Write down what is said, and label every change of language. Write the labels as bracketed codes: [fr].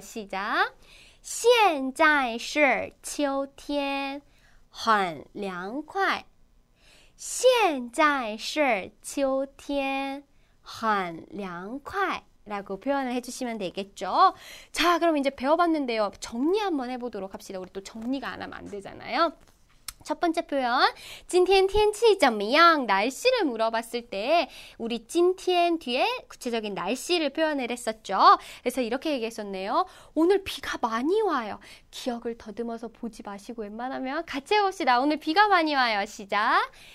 [ko] 시작. [zh] 现在是秋天很凉快.现在是秋天很凉快. [ko] 라고 표현을 해주시면 되겠죠. 자, 그럼 이제 배워봤는데요. 정리 한번 해보도록 합시다. 우리 또 정리가 안 하면 안 되잖아요. 첫 번째 표현, [zh] 今天天气怎么样? [ko] 날씨를 물어봤을 때 우리 今天 뒤에 구체적인 날씨를 표현을 했었죠. 그래서 이렇게 얘기했었네요. 오늘 비가 많이 와요. 기억을 더듬어서 보지 마시고 웬만하면 같이 해봅시다. 오늘 비가 많이 와요. 시작.